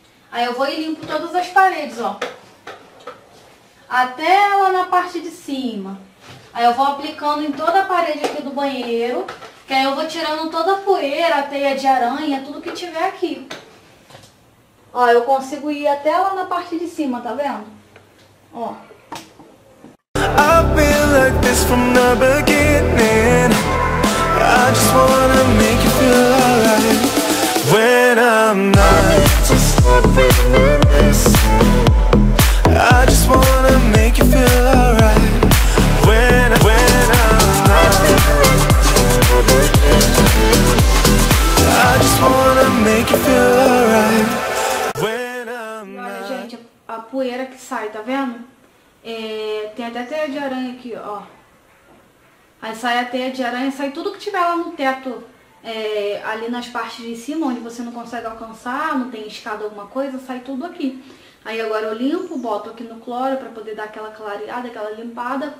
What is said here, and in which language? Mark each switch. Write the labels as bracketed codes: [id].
[pt] Aí eu vou e limpo todas as paredes, ó, até lá na parte de cima. Aí eu vou aplicando em toda a parede aqui do banheiro, que aí eu vou tirando toda a poeira, a teia de aranha, tudo que tiver aqui. Ó, eu consigo ir até lá na parte de cima, tá vendo? Ó. [en] I've been like this from the beginning. I just wanna make you feel alright. When I'm not just loving and listening, I just wanna make you feel alright. When I'm not just loving and listening, I just wanna make you feel alright. When I'm not. [pt] Olha, gente, a poeira que sai, tá vendo? É, tem até teia de aranha aqui, ó. Aí sai a teia de aranha, sai tudo que tiver lá no teto, é, ali nas partes de cima, onde você não consegue alcançar, não tem escada, alguma coisa, sai tudo aqui. Aí agora eu limpo, boto aqui no cloro pra poder dar aquela clareada, aquela limpada.